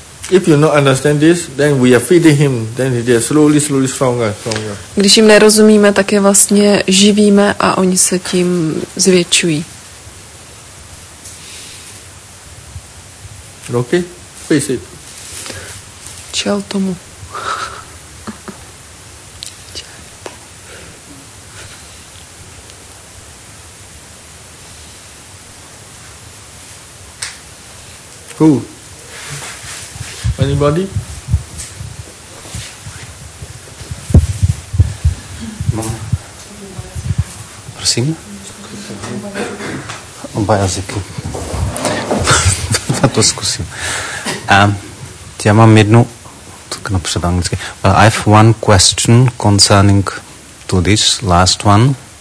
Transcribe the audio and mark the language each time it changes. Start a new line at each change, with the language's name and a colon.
English: If you not understand this, then we are feeding him, then he gets slowly, slowly stronger, stronger.
Czech: Když jim nerozumíme, tak je vlastně živíme a oni se tím zvětšují.
English: Okay, face it.
Czech: Čel tomu.
English: Who? Anybody?
Czech: Mám. Prosím? Oba jazyky. To zkusím. Já mám jednu, tak například anglicky.
English: Well, I have one question concerning to this last one.